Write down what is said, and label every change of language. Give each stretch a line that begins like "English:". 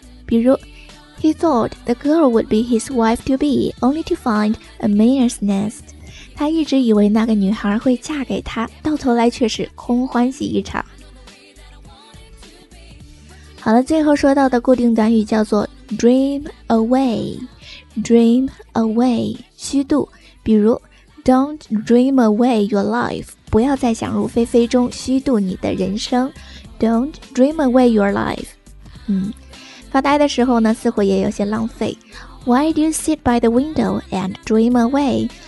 English: 比如 He thought the girl would be his wife to be, only to find a mare's nest.
Chinese: 他一直以为那个女孩会嫁给他，到头来却是空欢喜一场。好了，最后说到的固定短语叫做 dream away, 虚度。比如
English: Don't dream away your life，
Chinese: 不要再想入非非中虚度你的人生。
English: Don't dream away your life。
Chinese: 发呆的时候呢，似乎也有些浪费。
English: Why do you sit by the window and dream away？